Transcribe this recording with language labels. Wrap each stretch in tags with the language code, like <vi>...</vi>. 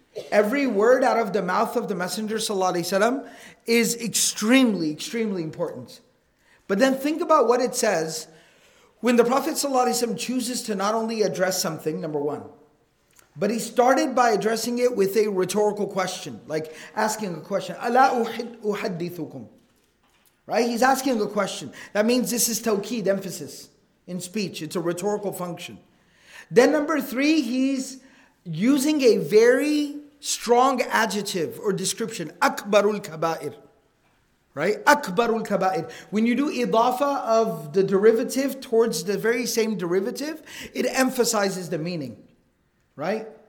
<en>Every word out of the mouth of the Messenger ﷺ is extremely, extremely important. But then think about what it says. When the Prophet ﷺ chooses to not only address something, number one, but he started by addressing it with a rhetorical question, like asking a question.</en> <ar>أَلَا أُحَدِّثُكُمْ,</ar> <en>right? He's asking a question. That means this is tawqid, emphasis in speech. It's a rhetorical function. Then number three, he's using a very strong adjective or description.</en> <ar>أَكْبَرُ الْكَبَائِرُ.</ar> <en>Right?</en> <ar>Akbarul kaba'ir.</ar> <en>When you do idafa of the derivative towards the very same derivative, it emphasizes the meaning. Right?</en>